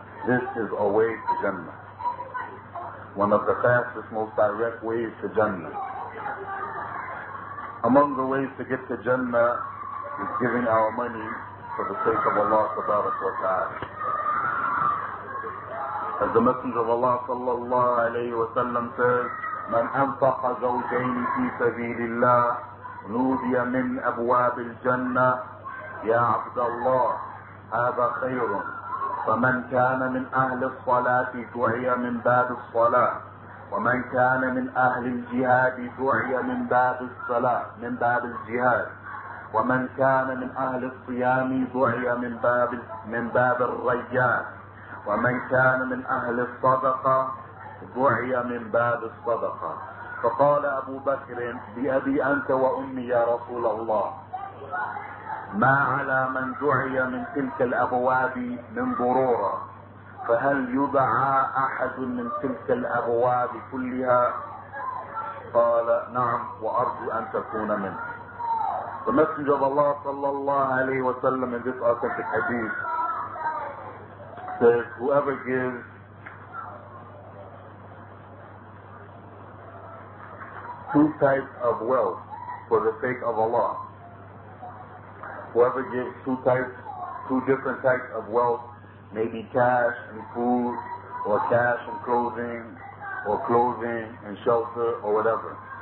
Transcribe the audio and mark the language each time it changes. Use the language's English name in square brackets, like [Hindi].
[English] This is a way to Jannah. One of the fastest, most direct ways to Jannah. Among the ways to get to Jannah is giving our money for the sake of Allah subhanahu wa ta'ala. As the Messenger of Allah sallallahu alayhi wa sallam says, [Arabic] من أنفق زوجين في سبيل الله نودي من أبواب الجنة يا عبد الله هذا خير فمن كان من أهل الصلاة دعي من باب الصلاة ومن كان من أهل الجهاد دعي من باب الصلاة من باب الجهاد ومن كان من أهل الصيام دعي من باب الريان ومن كان من أهل الصدقة دعي من باب الصدقة فقال أبو بكر بأبي أنت وأمي يا رسول الله ما على من دعي من تلك الأبواب من ضرورة فهل يدعى أحد من تلك الأبواب كلها قال نعم وأرجو أن تكون منه. [English] The Messenger of Allah صلى الله عليه وسلم in this authentic hadith says whoever gives two types of wealth for the sake of Allah, whoever gives two different types of wealth, maybe cash and food, or cash and clothing, or clothing and shelter, or whatever.